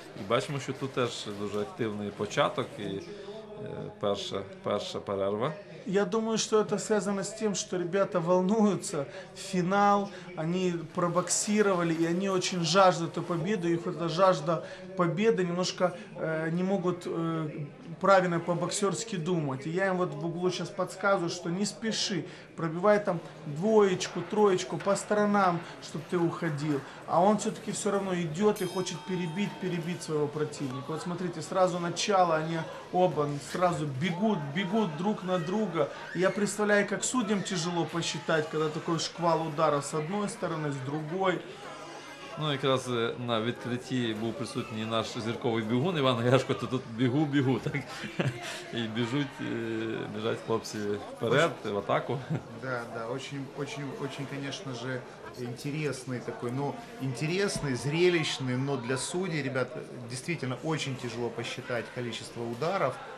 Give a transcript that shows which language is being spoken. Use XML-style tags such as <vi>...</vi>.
<uk>І бачимо, що тут теж дуже активний початок. І Перша перерва.</uk> <ru>Я думаю, что это связано с тем, что ребята волнуются. Финал, они пробоксировали, и они очень жаждут эту победу. Их эта жажда победы немножко не могут правильно по-боксерски думать. И я им вот в углу сейчас подсказываю, что не спеши, пробивай там двоечку, троечку по сторонам, чтобы ты уходил. А он все-таки все равно идет и хочет перебить своего противника. Вот смотрите, сразу начало, они оба сразу бегут друг на друга. Я представляю, как судьям тяжело посчитать, когда такой шквал ударов с одной стороны, с другой.</ru> <uk>Ну, якраз на відкритті був присутній наш зірковий бігун Іван Гешко, то тут бігу, так? І біжать хлопці вперед, в атаку.</uk> <ru>Да, очень, конечно же, интересный такой, ну, интересный, зрелищный, но для судей, ребят, действительно очень тяжело посчитать количество ударов.</ru>